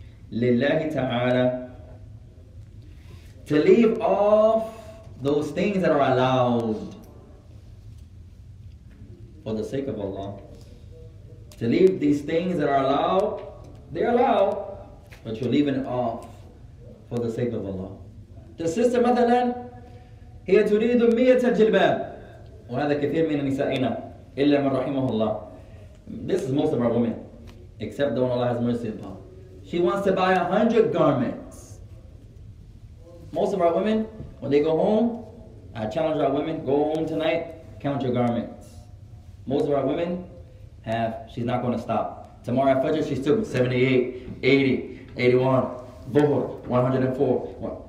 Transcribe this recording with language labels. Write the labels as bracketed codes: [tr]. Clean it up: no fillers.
[ar] لِلَّهِ تَعَالَى [en] To leave off those things that are allowed for the sake of Allah. To leave these things that are allowed, they're allowed, but you're leaving it off for the sake of Allah. The sister, مثلا, [ar] هي تريد مية جلباب. وهذا كثير من نسائنا إلا من رحمه الله. [en] This is most of our women, except the one Allah has mercy upon. She wants to buy 100 garments. Most of our women, when they go home, I challenge our women, go home tonight, count your garments. Most of our women have, she's not going to stop. Tomorrow at Fajr, she's still 78, 80, 81, Dhuhr, 104.